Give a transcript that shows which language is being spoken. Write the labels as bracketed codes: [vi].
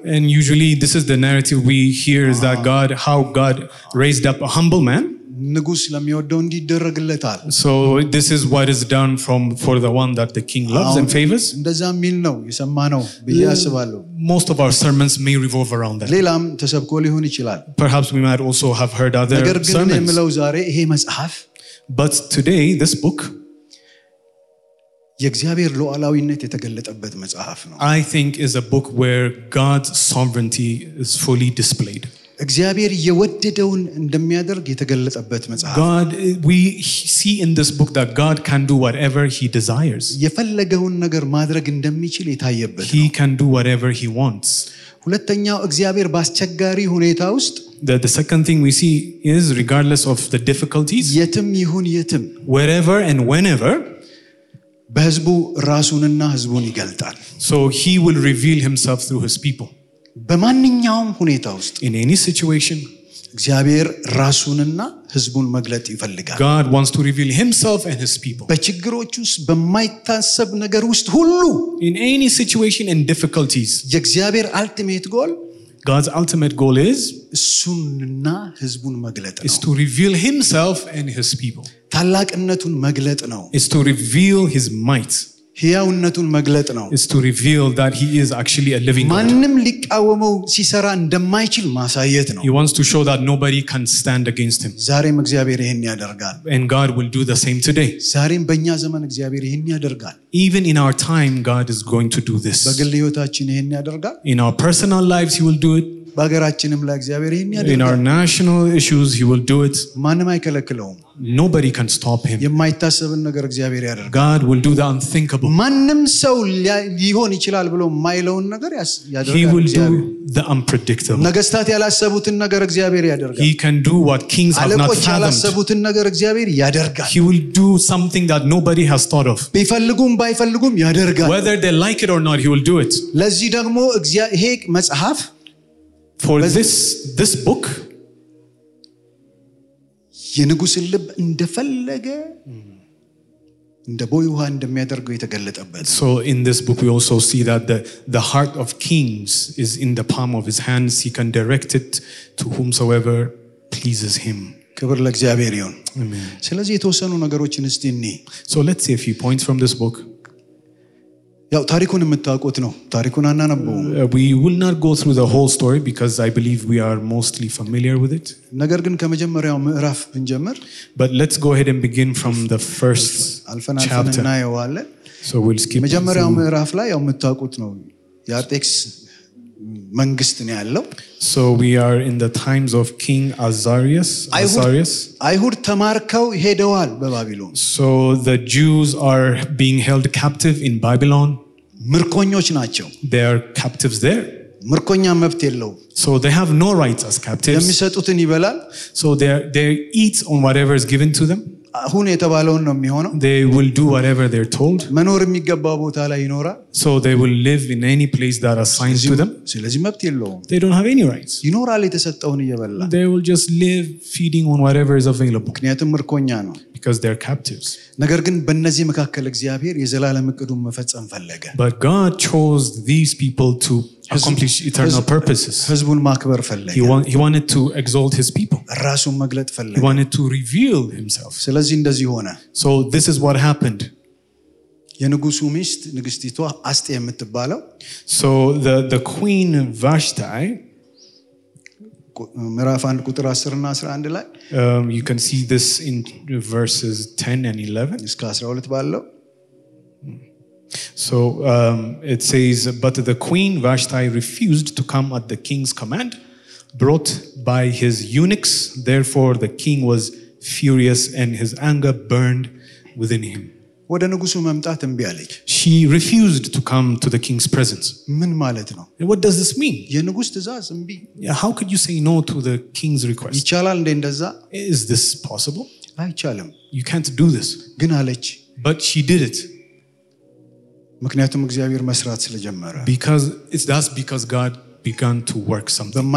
[en] and usually this is the narrative we hear is that god how god raised up a humble man [am] ንጉስ ለሚወደው እንዲደረግለታል [en] so this is what is done from for the one that the king loves and favors [am] እንደዛ ሚል ነው የሰማነው በያስባለው [en] most of our sermons may revolve around that [am] ሌላም ተሰብኮ ሊሆን ይችላል [en] perhaps we might also have heard other sermons [am] ነገር ግን የምለው ዛሬ ይሄ መጽሐፍ [en] But today this book [am] የእግዚአብሔር ሉዓላዊነት የተገለጠበት መጽሐፍ ነው. [en] I think is a book where God's sovereignty is fully displayed. [am] እግዚአብሔር የወደደውን እንደሚያደርግ የተገለጠበት መጽሐፍ. [en] God we see in this book that God can do whatever he desires. [am] የፈለገውን ነገር ማድረግ እንደሚችል የታየበት. [en] He can do whatever he wants. [am] ሁለተኛው እግዚአብሔር ባስቸጋሪ ሁኔታ ውስጥ [en] the second thing we see is regardless of the difficulties [am] yetim yihun yetim [en] wherever and whenever [am] bezbu rasunna hizbun igaltal [en] so he will reveal himself through his people [am] bemaninyawm huneta ust [en] in any situation [am] እግዚአብሔር ራሱንና ህዝቡን መግለጥ ይፈልጋል. [en] God wants to reveal himself and his people. [am] በችግሮች ውስጥ በማይታሰብ ነገር ውስጥ ሁሉ [en] in any situation and difficulties. [am] የእግዚአብሔር [en] ultimate goal God's ultimate goal is [am] እሱንና ህዝቡን መግለጥ ነው. [en] Is to reveal himself and his people. [am] ታላቅነቱን መግለጥ ነው. [en] Is to reveal his might. [am] ህያውነቱን መግለጥ ነው. [en] Is to reveal that he is actually a living [am] ማንም [en] God. [am] ማንንም ሊቃወመው ሲሰራ እንደማይችል ማሳየት ነው. [en] He wants to show that nobody can stand against him. [am] ዛሬም እግዚአብሔር ይሄን ያደርጋል. [en] And God will do the same today. [am] ዛሬም በእኛ ዘመን እግዚአብሔር ይሄን ያደርጋል. [en] Even in our time God is going to do this. [am] በግለሰባችን ይሄን ያደርጋል. [en] In our personal lives he will do it. [am] በሀገራችንም ላይ እግዚአብሔር ይሄን ያደርጋል. [en] In our national issues he will do it. [am] ማንም አይከለክለውም. [en] Nobody can stop him. [am] የማይታሰብ ነገር እግዚአብሔር ያደርጋል. [en] God will do the unthinkable. [am] ማንም ሰው ሊሆን ይችላል ብሎ የማይለውን ነገር ያደርጋል. [en] He will do the unpredictable. [am] ነገስታት ያላሰቡትን ነገር እግዚአብሔር ያደርጋል. [en] He can do what kings have not fathomed. [am] አለቆች ያላሰቡትን ነገር እግዚአብሔር ያደርጋል. [en] He will do something that nobody has thought of. [am] ቢፈልጉም ባይፈልጉም ያደርጋል. [en] Whether they like it or not he will do it. [am] ለዚህ ደግሞ እግዚአብሔር ይሄ መጽሐፍ [en] For this book [am] የንጉስ ልብ እንደፈለገ እንደ ቦይውሃ እንደሚያደርገው የተገለጠበት. [en] So in this book we also see that the heart of kings is in the palm of his hands. He can direct it to whomsoever pleases him. [am] ክብር ለእግዚአብሔር ይሁን. አሜን. ስለዚህ የተወሰኑ ነገሮችን እስቲ እኔ. [en] So let's see a few points from this book. [am] ያው ታሪኩን የምታውቁት ነው. ታሪኩን አናነበው. [en] We will not go through the whole story because I believe we are mostly familiar with it. [am] ነገር ግን ከመጀመሪያው ምዕራፍ እንጀምር. [en] But let's go ahead and begin from the first chapter. So we'll skip. [am] መጀመሪያው ምዕራፍ ላይ ያው የምታውቁት ነው. ያርጤክስ መንግስት ነው ያለው. [en] So we are in the times of King Azarias. [am] አይሁድ ተማርከው ሄደዋል በባቢሎን. [en] So the Jews are being held captive in Babylon. [am] ምርኮኞች ናቸው. [en] They are captives there. [am] ምርኮኛ መብት የለውም. [en] So they have no rights as captives. [am] የሚሰጡትን ይበላል. [en] So they eat on whatever is given to them. [am] ሁን የተባለው ነው የሚሆነው. [en] They will do whatever they're told. [am] መኖር የሚገባው ቦታ ላይ ይኖራ. [en] So they will live in any place that assigns to them. [am] ስለዚህ መብት የለውም. [en] They don't have any rights. [am] ይኖራል የተሰጠውን ይበላል. [en] They will just live feeding on whatever is available. [am] ምክንያቱም ምርኮኛ ነው. [en] Because they're captives. [am] ነገር ግን በእነዚህ መካከለ እግዚአብሔር የዘላለም እቅዱን መፈጸም ፈለገ. [en] But God chose these people to accomplish eternal purposes. [am] ህዝቡን ማክበር ፈለገ. [en] He wanted to exalt his people. [am] ራሱን መግለጥ ፈለገ. [en] He wanted to reveal himself. [am] ስለዚህ እንደዚህ ሆነ. [en] So this is what happened. [am] የንጉሱ ሚስት ንግስቲቱ አስቴር የምትባለው. [en] So the queen Vashti [am] ምዕራፍ 1 ቁጥር 10 እና 11 ላይ [en] you can see this in verses 10 and 11 [am] እስከ 12 ባለው. [en] So it says but the queen Vashti refused to come at the king's command brought by his eunuchs therefore the king was furious and his anger burned within him. [am] ወደ ንጉሱ መምጣት እምቢ አለች. [en] She refused to come to the king's presence. [am] ምን ማለት ነው? [en] What does this mean? [am] የንጉስ ትእዛዝ እምቢ? [en] How could you say no to the king's request? [am] ይቻላል እንደዛ? [en] Is this possible? [am] አይቻልም. [en] You can't do this. [am] ግን አለች. [en] But she did it. [am] ምክንያቱም እግዚአብሔር መስራት ስለጀመረ. [en] That's because God began to work something.